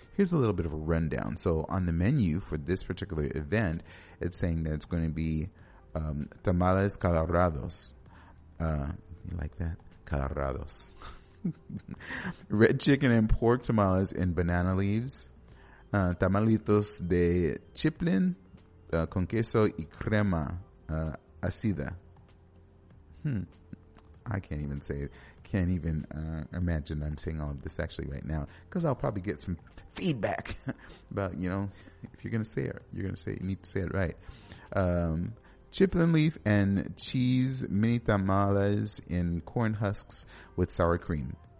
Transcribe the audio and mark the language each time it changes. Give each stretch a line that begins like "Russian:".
English: Here's a little bit of a rundown. So on the menu for this particular event, it's saying that it's going to be tamales colorados. You like that? Colorados. Red chicken and pork tamales in banana leaves.
Spanish: Tamalitos de chipilín con queso y crema ácida.
English: I can't even say it. Can't even imagine I'm saying all of this actually right now, because I'll probably get some feedback. But, you know, if you're going to say it, you're going to say it, you need to say it right. Chipilín leaf and cheese mini tamales in corn husks with sour cream.